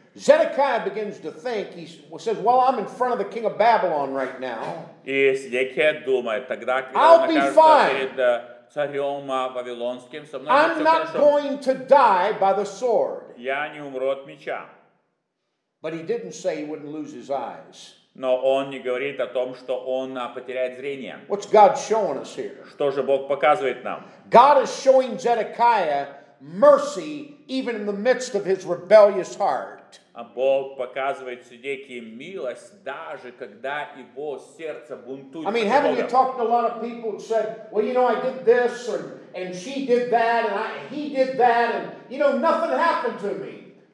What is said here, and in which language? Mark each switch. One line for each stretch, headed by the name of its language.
English: Zedekiah begins to think, he says, well, I'm in front of the king of Babylon right now.
Russian: И Сидекия думает, тогда, когда он окажется царем Вавилонским, со мной
English: I'm not
Russian: хорошо.
English: Going to die by the sword.
Russian: Я не умру от меча.
English: But he didn't say he wouldn't lose his eyes.
Russian: Но он не говорит о том, что он потеряет зрение.
English: What's God showing us here?
Russian: Что же Бог показывает нам?
English: God is showing Zedekiah mercy even in the midst of his rebellious heart.
Russian: А Бог показывает Сидекии милость даже когда его сердце бунтует.
English: I mean, haven't you talked to a lot of people who said, well, you know, I did this, and she did that, and he did that, and you know, nothing happened to me.